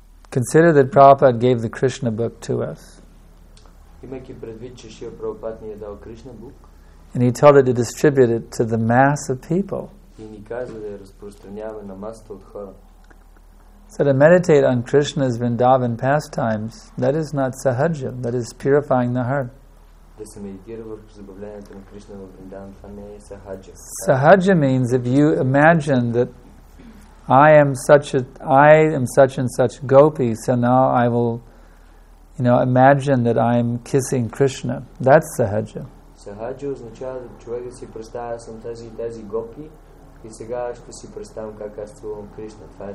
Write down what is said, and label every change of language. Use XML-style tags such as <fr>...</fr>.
<en>Consider that Prabhupada gave the Krishna book to us.</en> <bg>Имайки предвид, че Шрила Прабхупада ни е дал Кришна бук.</bg> <en>And he told it to distribute it to the mass of people.</en> <bg>И ни каза да я разпространяваме на масата от хора.</bg> <en>So to meditate on Krishna's Vrindavan pastimes, that is not sahaja, that is purifying the heart.</en> <bg>Да се медитира върху забавлението на Кришна в Вриндаван, това не е сахаджа.</bg> <en>Sahaja means if you imagine that I am such and such gopi, so now I will, you know, imagine that I am kissing Krishna. That's sahaja.</en> <bg>Sahaja означава да човека си представя, съм тази гопи и сега ще си представям как аз целувам Кришна.</bg>